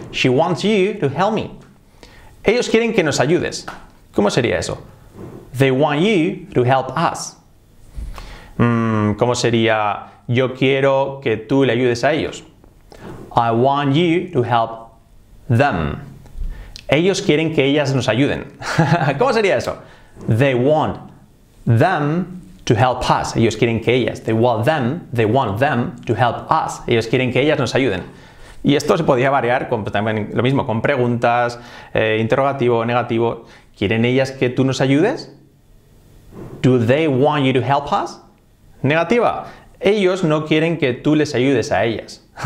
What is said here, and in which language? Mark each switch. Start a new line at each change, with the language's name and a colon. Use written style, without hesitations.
English: She wants you to help me.
Spanish: Ellos quieren que nos ayudes. ¿Cómo sería eso?
English: They want you to help us.
Spanish: ¿Cómo sería? Yo quiero que tú le ayudes a ellos.
English: I want you to help them.
Spanish: Ellos quieren que ellas nos ayuden. ¿Cómo sería eso?
English: They want them to help us.
Spanish: Ellos quieren que ellas.
English: They want them to help us.
Spanish: Ellos quieren que ellas nos ayuden. Y esto se podría variar con, también lo mismo, con preguntas, interrogativo, negativo. ¿Quieren ellas que tú nos ayudes?
English: Do they want you to help us?
Spanish: Negativa. Ellos no quieren que tú les ayudes a ellas.